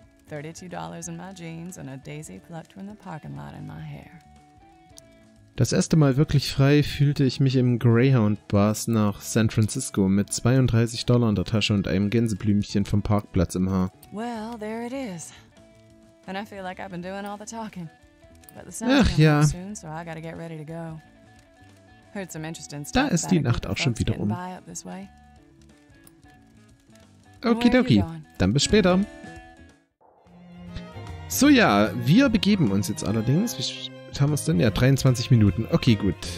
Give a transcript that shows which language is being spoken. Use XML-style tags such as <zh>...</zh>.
<en>$32 in my jeans and a daisy plucked from the parking lot in my hair.</en> <de>Das erste Mal wirklich frei fühlte ich mich im Greyhound-Bus nach San Francisco mit $32 in der Tasche und einem Gänseblümchen vom Parkplatz im Haar.</de> <en>Well, there it is. And I feel like I've been doing all the talking. But the sun's</en> <de>Ach ja.</de> <en>Soon, so I gotta get ready to go. Heard some interesting stuff.</en> <de>Da ist die Nacht auch schon wieder um. Okidoki, dann bis später. So ja, wir begeben uns jetzt allerdings. Was haben wir es denn? Ja, 23 Minuten. Okay, gut.</de>